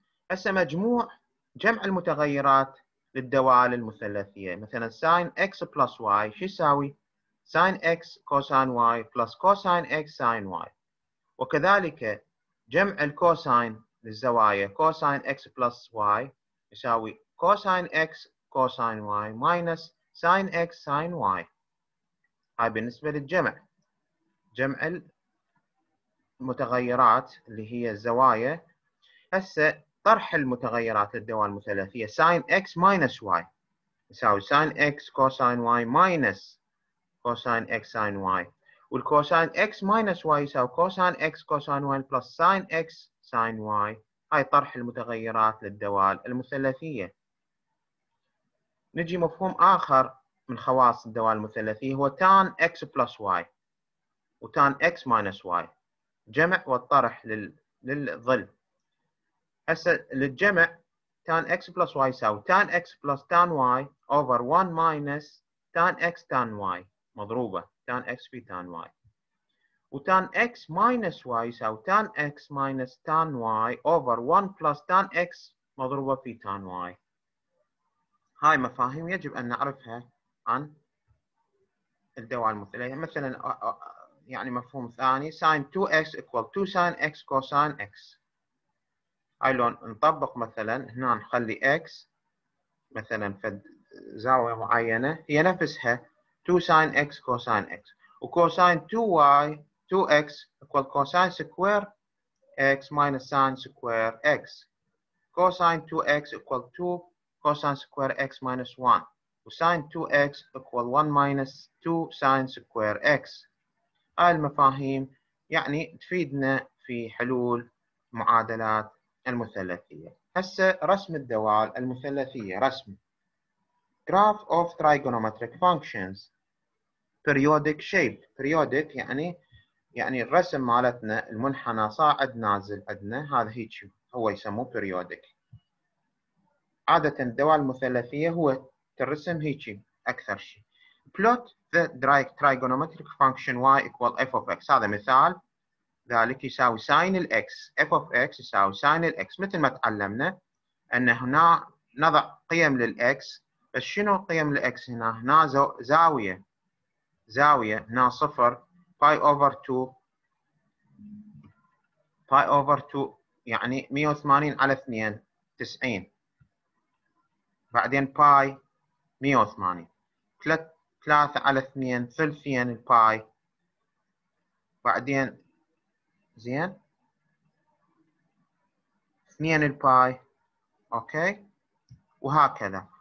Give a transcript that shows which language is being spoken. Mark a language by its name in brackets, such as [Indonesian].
[Arabic] هسه مجموع جمع المتغيرات للدوال المثلثية، مثلا ساين x بلس y شو يساوي؟ ساين x كوساين y بلس كوساين x ساين y، وكذلك جمع الكوساين للزوايا كوساين x بلس y يساوي [English] cosine x cosine y minus sine x sine y. [Arabic] هاي بالنسبة للجمع، جمع المتغيرات اللي هي الزوايا. هسه طرح المتغيرات للدوال المثلثية [English] sine x minus y يساوي sine x cosine y minus cosine x sine y، والكوساين x minus y يساوي cosine x cosine y plus sine x sine y. [Arabic] هاي طرح المتغيرات للدوال المثلثية. نجي مفهوم آخر من خواص الدوال المثلثية هو tan x plus y وtan x minus y، جمع والطرح للظل. [English] هسه للجمع tan x plus y يساوي tan x plus tan y over 1 minus tan x tan y، مضروبة tan x في tan y. وtan x minus y يساوي tan x minus tan y over 1 plus tan x مضروبة في tan y. [Arabic] هاي مفاهيم يجب أن نعرفها عن الدوال المثلثية. مثلا يعني مفهوم ثاني [English] sin 2x equal to sin x cosine x. [Arabic] هاي لو نطبق مثلا هنا نخلي x مثلا في زاوية معينة هي نفسها [English] 2 sin x cosine x، وcosine 2y 2x equal cosine square x minus sine square x. cosine 2x equal 2 cosine square x minus 1، وsine 2x equal 1 minus 2 sine square x. [Arabic] هاي المفاهيم يعني تفيدنا في حلول معادلات المثلثية. هسه رسم الدوال المثلثية، رسم [English] graph of trigonometric functions periodic shape. [Arabic] periodic يعني الرسم مالتنا المنحنى صاعد نازل عندنا، هذا هيك هو يسموه periodic. عادة الدوال المثلثية هو ترسم هيك أكثر شيء. [English] plot the trigonometric function y equal f of x، [Arabic] هذا مثال ذلك يساوي [English] sin x، f of x يساوي sin x. [Arabic] مثل ما تعلمنا أن هنا نضع قيم للx، بس شنو قيم للx هنا؟ هنا زاوية، زاوية هنا صفر pi over 2، pi over 2 يعني 180 على 2 90، بعدين pi 180، 3 على 2 ثلثين pi، بعدين زين 2 الباي، اوكي، وهكذا.